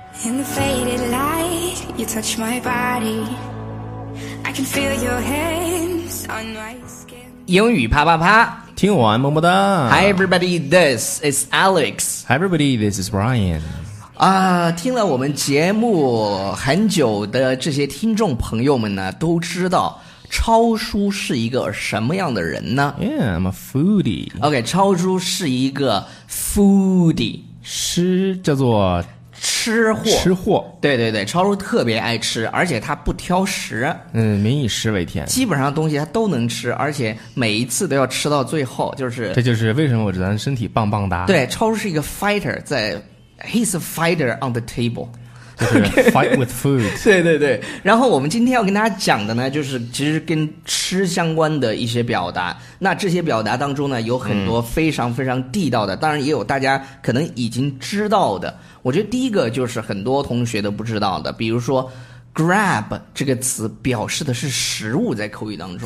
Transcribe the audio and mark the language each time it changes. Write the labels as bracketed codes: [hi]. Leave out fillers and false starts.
[en] In the faded light, you touch my body. I can feel your hands on my skin. [zh] 英语啪啪啪，听完么么哒。 [en] Hi everybody, this is Alex. Hi everybody, this is Brian. [zh] 听了我们节目很久的这些听众朋友们呢，都知道超叔是一个什么样的人呢 [en] ？Yeah, I'm a foodie. [zh] OK, 超叔是一个 foodie，吃叫做吃货，吃货。对对对，超叔特别爱吃，而且他不挑食。嗯，民以食为天，基本上东西他都能吃，而且每一次都要吃到最后，就是这就是为什么我觉得身体棒棒哒。对，超叔是一个 fighter， 在。 [en] He's a fighter on the table. Fight with food. [zh] 对对对。然后我们今天要跟大家讲的呢，就是其实跟吃相关的一些表达。那这些表达当中呢，有很多非常非常地道的，当然也有大家可能已经知道的。我觉得第一个就是很多同学都不知道的，比如说 grab 这个词表示的是食物，在口语当中。